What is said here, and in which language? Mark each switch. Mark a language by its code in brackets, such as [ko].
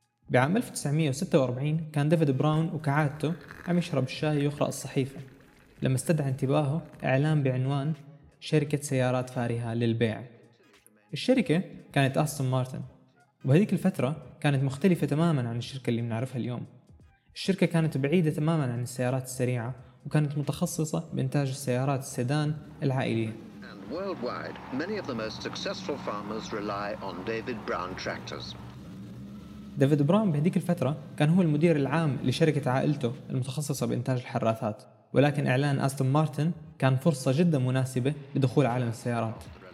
[ar] بعام 1946 كان ديفيد براون وكعادته عم يشرب الشاي ويقرأ الصحيفة لما استدعى انتباهه إعلان بعنوان شركة سيارات فارهة للبيع. الشركة كانت أستون مارتن، وبهذيك الفترة كانت مختلفة تماماً عن الشركة اللي بنعرفها اليوم. الشركة كانت بعيدة تماماً عن السيارات السريعة وكانت متخصصة بإنتاج السيارات السيدان العائلية. [en] Worldwide, many of the most successful farmers rely on David Brown tractors. [ar] ديفيد براون بهذيك الفترة كان هو المدير العام لشركة عائلته المتخصصة بإنتاج الحراثات، ولكن إعلان أستون مارتن كان فرصة جدا مناسبة لدخول عالم السيارات.